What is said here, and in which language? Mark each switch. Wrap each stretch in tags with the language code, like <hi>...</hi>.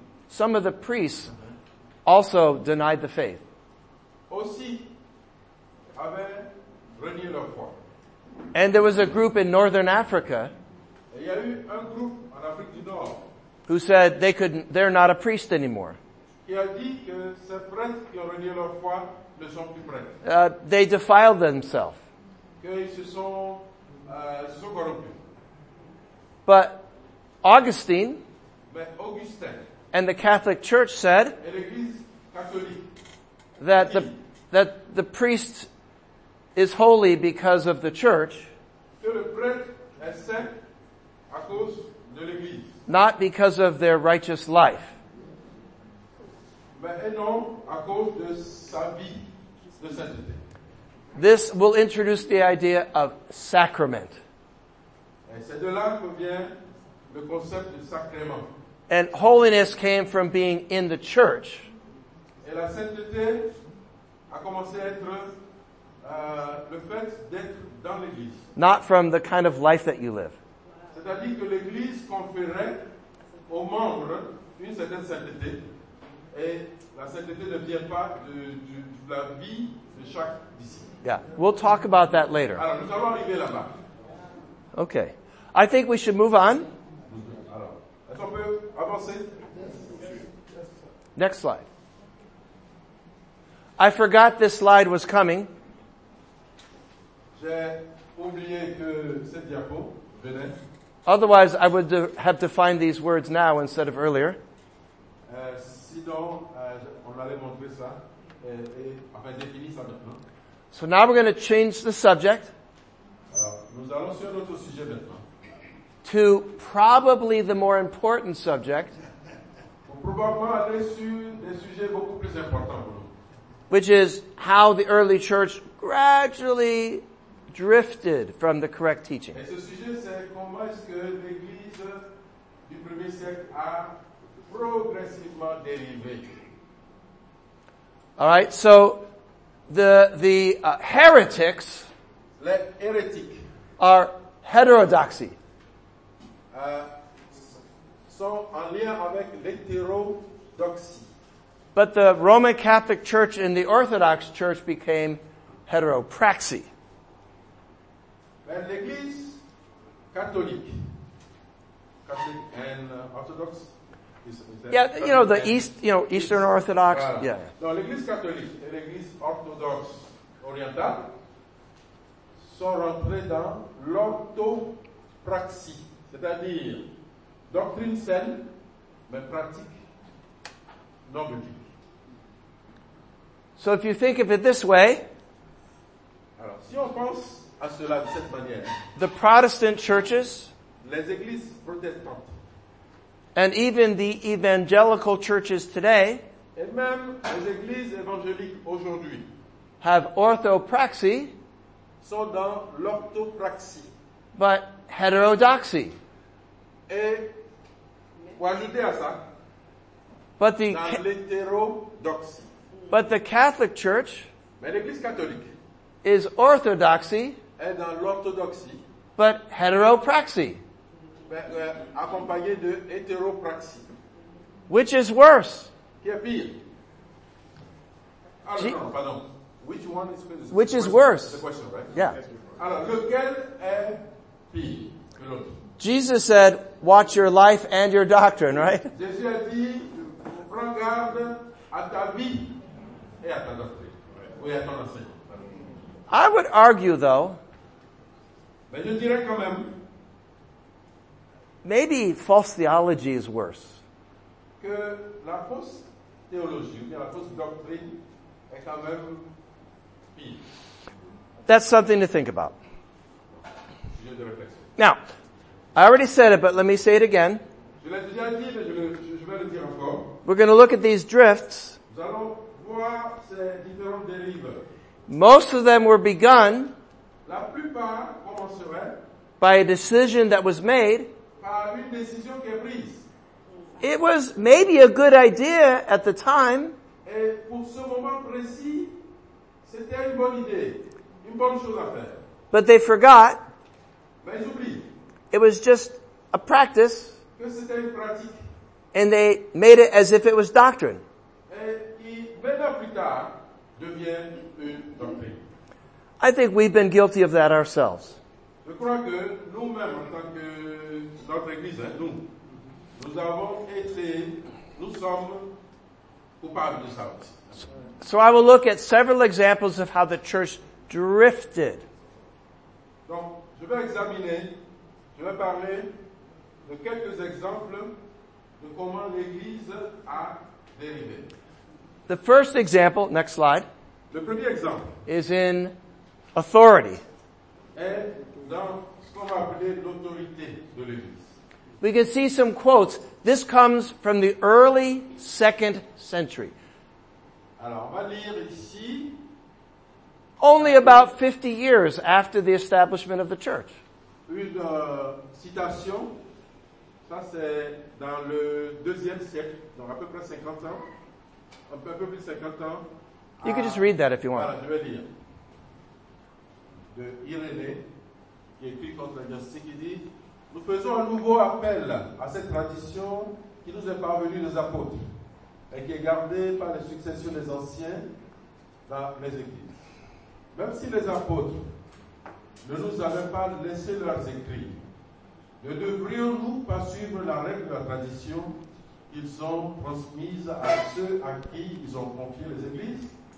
<en>some of the priests also denied the faith.</en> <fr>Aussi avaient renié leur foi.</fr> <en>And there was a group in Northern Africa</en> <fr>y a eu un groupe en Afrique du Nord</fr> <en>who said they couldn't, they're not a priest anymore.</en> <fr>Il a dit que ces prêtres qui ont renié leur foi ne sont plus prêtres.</fr> <en>They defiled themselves.</en> <fr>Qu'ils se sont corrompus.</fr> <en>But Augustine,</en> <fr>mais Augustin,</fr> <en>and the Catholic Church said,</en> <fr>et l'Église catholique,</fr> <en>that the priest is holy because of the church,</en> <fr>que le prêtre est saint à cause de l'Église,</fr> <en>not because of their righteous life.</en> <fr>Mais non, à cause de sa vie, de sainteté.</fr> <en>This will introduce the idea of sacrament.</en> <fr>Et c'est de là que vient le concept de sacrement.</fr> <en>And holiness came from being in the church.</en> <fr>Et la sainteté a commencé à être le fait d'être dans l'église.</fr> <en>Not from the kind of life that you live.</en> <fr>C'est-à-dire que l'église conférait aux membres une certaine sainteté. Et la sainteté ne vient pas de la vie de chaque disciple.</fr> <en>Yeah, we'll talk about that later.</en> <fr>Alors, nous allons arriver là-bas.</fr> <en>Okay. I think we should move on.</en> <fr>Alors, est-ce qu'on peut avancer?</fr> <en>Next slide. I forgot this slide was coming.</en> <fr>J'ai oublié que cette diapo venait.</fr> <en>Otherwise, I would have defined these words now instead of earlier. So now we're going to change the subject.</en> <fr>Alors, nous allons sur notre sujet maintenant.</fr> <en>To probably the more important subject.</en> <fr>Probablement aller sur des sujets beaucoup plus importants pour nous.</fr> <en>Which is how the early church gradually drifted from the correct teaching.</en> <fr>Et ce sujet, c'est comment est-ce que l'Église du premier siècle a progressivement dérivé.</fr> <en>All right, so the heretics,</en> <fr>les hérétiques,</fr> <en>are heterodoxy.</en> <fr>Sont en lien avec l'hétérodoxie.</fr> <en>But the Roman Catholic Church and the Orthodox Church became heteropraxy.</en> <fr>Mais l'Église catholique</fr> <en>and Orthodox. Yeah, you know, the East, you know, Eastern Orthodox, yeah.</en> <fr>No, l'Église catholique et l'Église orthodoxe orientale sont rentrés dans l'orthopraxie, c'est-à-dire doctrine saine, mais pratique, non biblique.</fr> <en>So if you think of it this way,</en> <fr>alors, si on pense à cela de cette manière,</fr> <en>the Protestant churches,</en> <fr>les églises protestantes,</fr> <en>and even the evangelical churches today</en> <fr>et même les églises évangéliques aujourd'hui</fr> <en>have orthopraxy,</en> <fr>sont dans l'orthopraxie,</fr> <en>but heterodoxy.</en> <fr>Et vous ajoutez à ça,</fr> <en>but the,</en> <fr>dans l'hétérodoxie.</fr> <en>But the Catholic Church,</en> <fr>mais l'Église catholique,</fr> <en>is orthodoxy,</en> <fr>est dans l'orthodoxie,</fr> <en>but heteropraxy.</en> <fr>Accompagné de hétéropraxie.</fr> <en>Which is worse?</en> <fr>Qui est pire? Pardon.</fr> <en>Which one is worse? Which is worse? The question, right? Yeah.</en> <fr>Alors, lequel est pire?</fr> <en>Jesus said, watch your life and your doctrine, right?</en> <fr>Jésus a dit, prends garde à ta vie et à ta doctrine. Oui, à ton enseignement.</fr> <en>I would argue, though,</en> <fr>mais je dirais quand même,</fr> <en>maybe false theology is worse.</en> <fr>Que la fausse théologie, ou la fausse doctrine est quand même pire.</fr> <en>That's something to think about.</en> <fr>Sujet de réflexion.</fr> <en>Now, I already said it, but let me say it again.</en> <fr>Je l'ai déjà dit, mais je vais le dire encore.</fr> <en>We're going to look at these drifts.</en> <fr>Nous allons voir ces différentes dérives.</fr> <en>Most of them were begun</en> <fr>la plupart commenceraient</fr> <en>by a decision that was made.</en> <fr>Par une décision qui est prise.</fr> <en>It was maybe a good idea at the time.</en> <fr>Et pour ce moment précis, c'était une bonne idée, une bonne chose à faire.</fr> <en>But they forgot.</en> <fr>Mais ils oublient.</fr> <en>It was just a practice.</en> <fr>Que c'était une pratique.</fr> <en>And they made it as if it was doctrine.</en> <fr>Et maintenant plus tard, devient</fr> <en>I think we've been guilty of that ourselves.</en> <fr>Je crois que nous-mêmes, en tant que notre église, hein, nous avons été, nous sommes coupables de ça.</fr> <en>So I will look at several examples of how the church drifted.</en> <fr>Donc, je vais parler de quelques exemples de comment l'église a dérivé.</fr> <en>The first example, next slide.</en> <fr>Le premier exemple</fr> <en>is in authority.</en> <fr>Et dans ce qu'on va appeler l'autorité de l'Église.</fr> <en>We can see some quotes. This comes from the early second century.</en> <fr>Alors, on va lire ici.</fr> <en>Only about 50 years after the establishment of the church.</en> <fr>Une citation. Ça, c'est dans le deuxième siècle. Donc, à peu près 50 ans. Un peu plus de 50 ans. You can just read that if you want. Voilà, je vais lire. De Irénée, qui écrit contre la justice, qui dit, nous faisons un nouveau appel à cette tradition qui nous est parvenue des apôtres et qui est gardée par les successions des anciens dans les églises. Même si les apôtres ne nous avaient pas laissé leurs écrits, ne devrions-nous pas suivre la règle de la tradition qu'ils ont transmise à ceux à qui ils ont confié les églises?</fr>